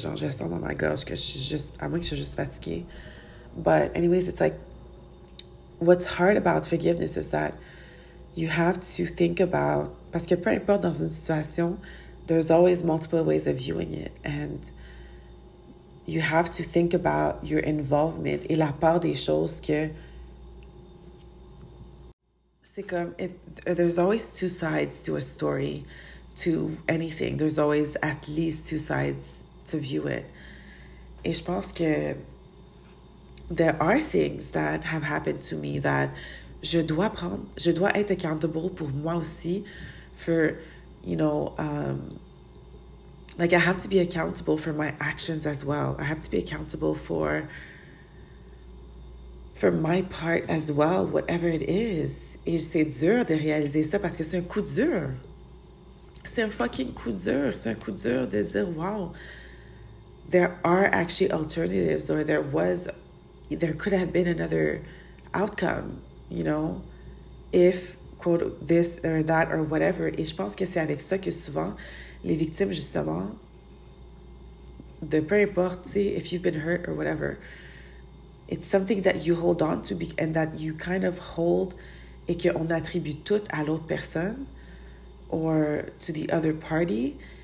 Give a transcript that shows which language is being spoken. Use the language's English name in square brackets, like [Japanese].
[French] Genre, je sens dans ma gorge que je suis juste, à moins que je suis juste fatiguée. [English] But anyways, it's like, what's hard about forgiveness is that you have to think about, [French] parce que peu importe dans une situation, [English] there's always multiple ways of viewing it. And you have to think about your involvement [French] et la part des choses que, c'est comme, [English] there's always two sides to a story. To anything, there's always at least two sides to view it. [French] Et je pense que [English] there are things that have happened to me that [French] je dois être accountable pour moi aussi, [English] for, you know, like I have to be accountable for my actions as well. I have to be accountable for my part as well, whatever it is. [French] Et c'est dur de réaliser ça parce que c'est un coup dur. C'est un fucking coup dur. C'est un coup dur de dire, [English] wow, there are actually alternatives, or there could have been another outcome, you know, if, quote, this or that or whatever. [French] Et je pense que c'est avec ça que souvent, les victimes, justement, de peu importe, tu sais, [English] if you've been hurt or whatever, it's something that you hold on to and that you kind of hold, [French] et qu'on attribue tout à l'autre personne, [English] or to the other party,